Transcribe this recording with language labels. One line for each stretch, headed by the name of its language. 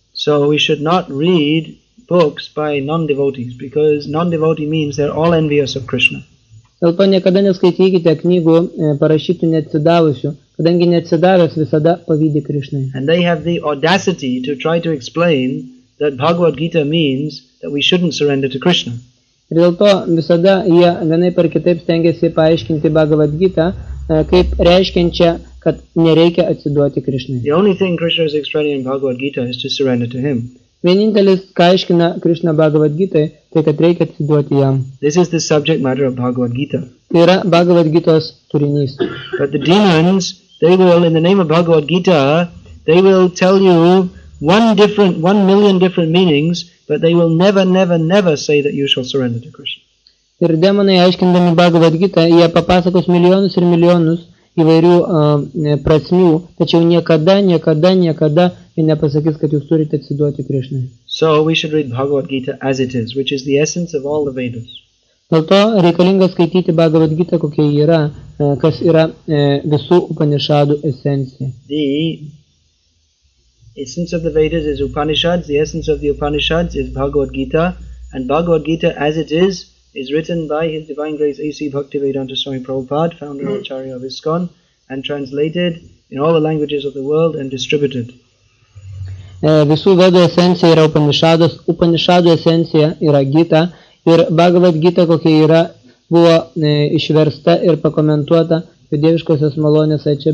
English: So we should not read books by non-devotees, because non-devotee means they're all envious of Krishna.
Lithuanian: Dėl to niekada neskaitykite knygų parašytų neatsidavusių, kadangi neatsidavęs visada pavydi Krišnai.
English: And they have the audacity to try to explain that Bhagavad Gita means that we shouldn't surrender to Krishna.
Lithuanian: Ir dėl to visada jie vienai per kitaip stengiasi paaiškinti Bhagavad Gita, kaip reiškiančia, kad nereikia atsiduoti Krishnai.
English: The only thing Krishna is explaining in Bhagavad Gita is to surrender to him.
Lithuanian: Vienintelis, ką aiškina Krishna Bhagavad Gita, tai kad reikia atsiduoti jam.
English: This is the subject matter of Bhagavad Gita.
Lithuanian: Tai yra Bhagavad Gitos turinys.
English: But the demons, they will, in the name of Bhagavad Gita, they will tell you one million different meanings, but they will never say that you shall surrender to Krishna.
Lithuanian: Ir demonai, aiškindami Bhagavad Gita, jie papasakos milijonus ir milijonus įvairių prasmių, tačiau niekada jie nepasakys, kad jūs turite atsiduoti Krishnai.
English: So we should read Bhagavad Gita as it is, which is the essence of all the Vedas.
Lithuanian: Dėl to reikalinga skaityti Bhagavad Gita, kokia yra, kas yra visų Upanishadų esencija.
English: The essence of the Vedas is Upanishads, the essence of the Upanishads is Bhagavad Gita, and Bhagavad Gita as it is written by His Divine Grace A.C. Bhaktivedanta Swami Prabhupada, founder of Acharya of ISKCON, and translated in all the languages of the world and distributed.
Lithuanian: Visų Vedų esencija yra Upanishadas, Upanishadų esencija yra Gita, ir Bhagavad Gita, kokia yra, buvo išversta ir pakomentuota dieviškosios malonės A.C.